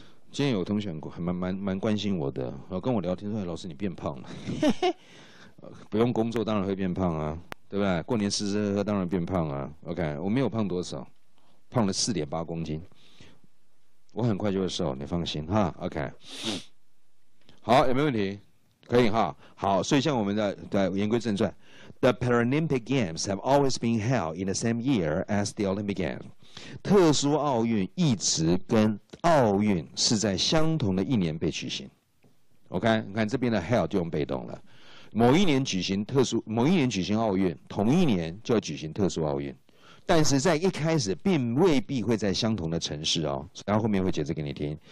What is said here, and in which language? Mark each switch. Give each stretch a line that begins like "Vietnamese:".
Chinese: 今天有同学还蛮关心我的，跟我聊天说：“老师，你变胖了。” 不用工作当然会变胖啊，对不对？过年吃吃喝喝当然变胖啊。 OK, 我没有胖多少。胖了4.8公斤，我很快就会瘦，你放心哈。 OK， 好，有没有问题？可以哈。好，所以像我们的对，言归正传
English: ，The Paralympic Games have always been held in the same year as the Olympic Games。
Chinese: 特殊奥运一直跟奥运是在相同的一年被举行。 OK， 你看这边的 held 就用被动了。某一年举行特殊，某一年举行奥运，同一年就要举行特殊奥运。但是在一开始并未必会在相同的城市哦，然后后面会解释给你听。